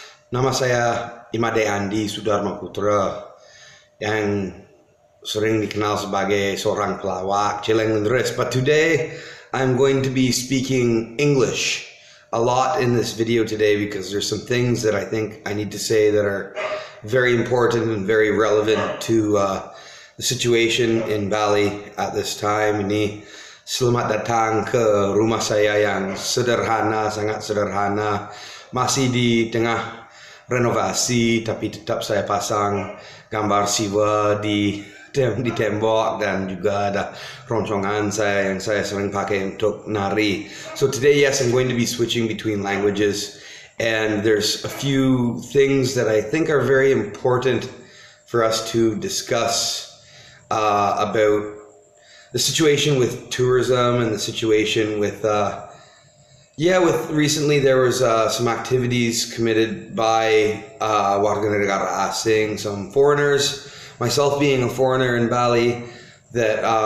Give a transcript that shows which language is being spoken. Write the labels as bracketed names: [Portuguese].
[Indonesian] Nama saya Imade Andi Sudarma Putra, yang sering dikenal sebagai seorang pelawak, Cileng Lendres. [English] But today, I'm going to be speaking English a lot in this video today because there's some things that I think I need to say that are very important and very relevant to the situation in Bali at this time. [Indonesian] Ini selamat datang ke rumah saya yang sederhana, sangat sederhana. Masih di tengah renovasi, tapi tetap saya pasang gambar Siwa di tembok dan juga ada roncongan saya yang saya sering pakai untuk nari. [English] So today, yes, I'm going to be switching between languages, and there's a few things that I think are very important for us to discuss. About the situation with tourism and the situation with with recently there was some activities committed by [Indonesian] warga negara asing, [English] some foreigners, myself being a foreigner in Bali, that